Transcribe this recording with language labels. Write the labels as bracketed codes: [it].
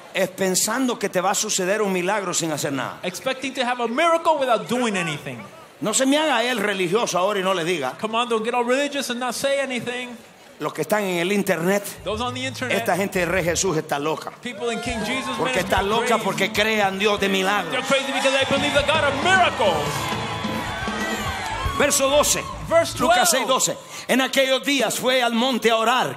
[es] Es pensando que te va a suceder un milagro sin hacer nada. [en] Expecting to have a miracle without doing anything. [es] No se me haga el religioso ahora y no le diga. [en] Come on, don't get all religious and not say anything. [es] Los que están en el internet, [en] those on the internet, [es] esta gente de Rey Jesús está loca. [en] People in King Jesus, [es] porque está loca [en] crazy. [es] Porque crean Dios de milagros. [en] They're crazy because they believe the God of miracles. [es] Verso 12. [en] Verse 12. [es] Lucas 6, 12. En aquellos días fue al monte a orar.